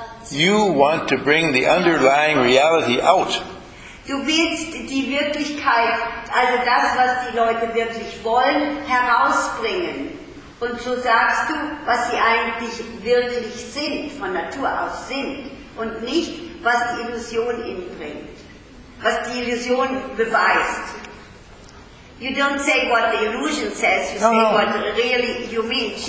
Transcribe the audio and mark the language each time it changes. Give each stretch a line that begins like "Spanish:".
English: You want to bring the underlying reality out.
German: Du willst die Wirklichkeit, also das, was die Leute wirklich wollen, herausbringen. Und so sagst du, was sie eigentlich wirklich sind, von Natur aus sind, und nicht, was die Illusion ihnen bringt. Was die Illusion beweist.
English: You don't say what the illusion says, you say what really you mean.